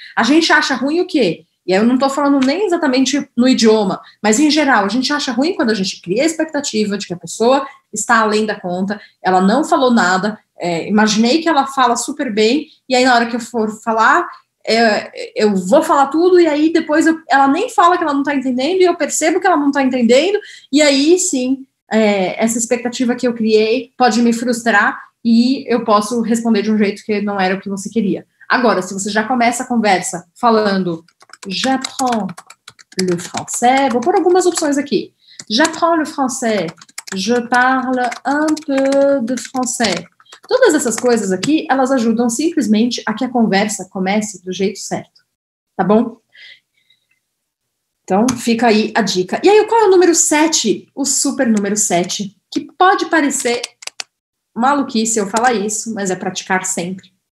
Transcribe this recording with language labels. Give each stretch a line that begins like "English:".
Portuguese: A gente acha ruim o quê? E eu não estou falando nem exatamente no idioma, mas em geral, a gente acha ruim quando a gente cria a expectativa de que a pessoa está além da conta, ela não falou nada, imaginei que ela fala super bem, e aí na hora que eu for falar, eu vou falar tudo, e aí depois ela nem fala que ela não está entendendo, e eu percebo que ela não está entendendo, e aí sim, essa expectativa que eu criei pode me frustrar, e eu posso responder de um jeito que não era o que você queria. Agora, se você já começa a conversa falando
French: j'apprends le français,
Portuguese: vou pôr algumas opções aqui.
French: J'apprends le français, je parle un peu de français.
Portuguese: Todas essas coisas aqui, elas ajudam simplesmente a que a conversa comece do jeito certo. Tá bom? Então, fica aí a dica. E aí, qual é o número 7? O super número 7, que pode parecer maluquice eu falar isso, mas é praticar sempre.